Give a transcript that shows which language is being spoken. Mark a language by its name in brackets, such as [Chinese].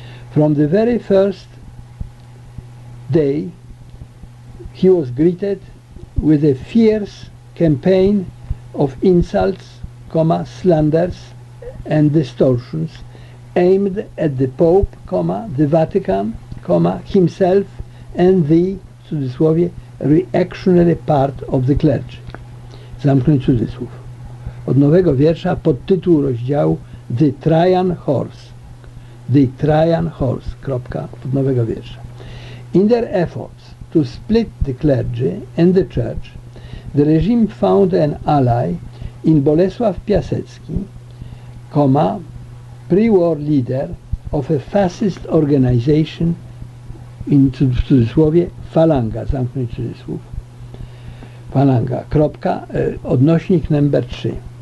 [English] From the very first day, he was greeted with a fierce campaign of insults, slanders and distortions aimed at the Pope, the Vatican, himself and the, [Polish] cudzysłowie, [English] reactionary part of the clergy. [Polish] Zamknąć cudzysłów. Od nowego wiersza pod tytuł rozdziału [English] The Trajan Horse. The Trajan Horse, [Polish] kropka, od nowego wiersza. [English] In their efforts to split the clergy and the church, the regime found an ally in Bolesław Piasecki, pre-war leader of a fascist organization, in [Polish] cudzysłowie, [English] Falanga, [Polish] zamknąć cudzysłów, [English] Falanga, [Polish] kropka, odnośnik [English] number 3.